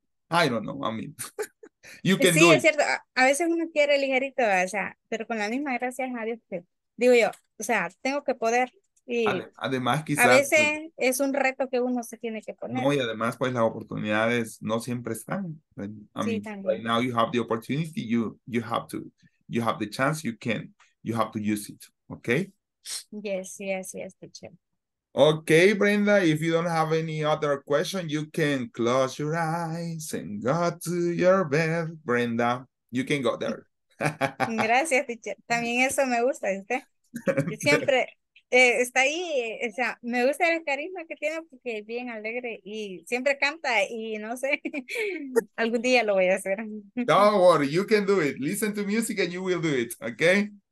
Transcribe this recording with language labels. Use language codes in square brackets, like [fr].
[en] I don't know, I mean, you can do it. [es] Sí, es cierto, a veces uno quiere ligerito, o sea, pero con la misma gracia a Dios que, digo yo, o sea, tengo que poder. Y además quizás a veces es un reto que uno se tiene que poner. No, y además pues las oportunidades no siempre están. [en] Right now you have the opportunity, you have the chance, you have to use it, okay? Yes, teacher. Okay, Brenda, if you don't have any other question, you can close your eyes and go to your bed, Brenda. You can go there. [es] Gracias, teacher. También eso me gusta, ¿usted? Siempre está ahí, o sea, me gusta el carisma que tiene porque es bien alegre y siempre canta y no sé, algún día lo voy a hacer. [en] Don't worry, you can do it. Listen to music and you will do it, okay?